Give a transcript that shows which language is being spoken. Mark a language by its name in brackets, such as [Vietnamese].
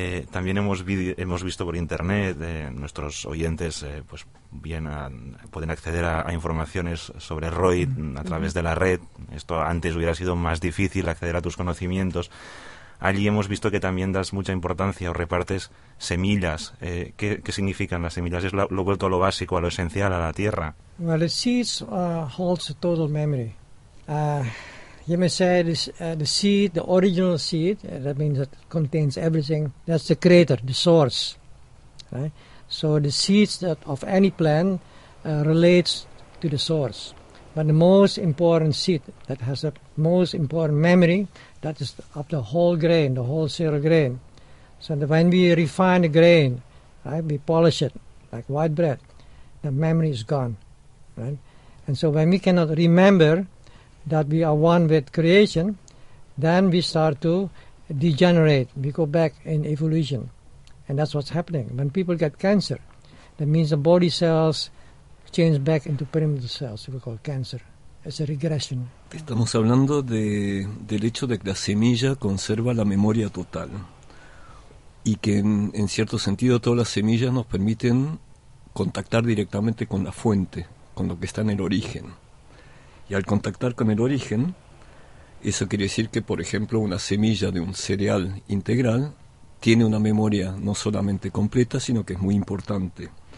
[Spanish] También hemos visto por internet, nuestros oyentes pues bien pueden acceder a informaciones sobre Roy a través de la red. Esto antes hubiera sido más difícil, acceder a tus conocimientos. Allí hemos visto que también das mucha importancia o repartes semillas. ¿Qué significan las semillas? Es lo vuelto a lo básico, a lo esencial, a la tierra. [English] Well, the seeds holds a total memory. You may say this, the seed, the original seed, that means it contains everything. That's the creator, the source. Right? So the seeds that of any plant relates to the source. But the most important seed that has the most important memory, that is of the whole grain, the whole cereal grain. So when we refine the grain, right, we polish it like white bread, the memory is gone. Right? And so when we cannot remember that we are one with creation, then we start to degenerate. We go back in evolution. And that's what's happening. When people get cancer, that means the body cells change back into primitive cells, we call cancer. It's a regression. [Spanish] Estamos hablando del hecho de que la semilla conserva la memoria total y que en cierto sentido todas las semillas nos permiten contactar directamente con la fuente, con lo que está en el origen. Y al contactar con el origen, eso quiere decir que, por ejemplo, una semilla de un cereal integral tiene una memoria no solamente completa, sino que es muy importante.